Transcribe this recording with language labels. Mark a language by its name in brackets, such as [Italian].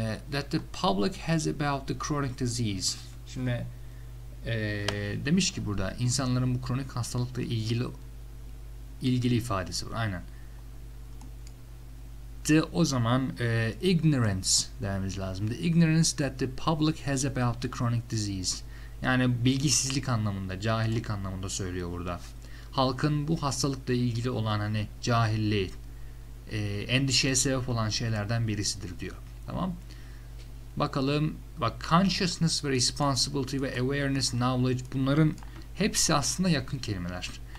[English] That the public has about the chronic disease. [Turkish] Şimdi demiş ki burada insanların bu kronik hastalıkla ilgili ifadesi var. Aynen. De o zaman ignorance dememiz lazım. [English] The ignorance that the public has about the chronic disease. [Turkish] Yani bilgisizlik anlamında, cahillik anlamında söylüyor burada. Halkın bu hastalıkla ilgili olan hani cahilliği, endişeye sebep olan şeylerden birisidir diyor. Tamam. Bakalım. Bak, consciousness ve responsibility ve awareness, knowledge, bunların hepsi aslında yakın kelimeler.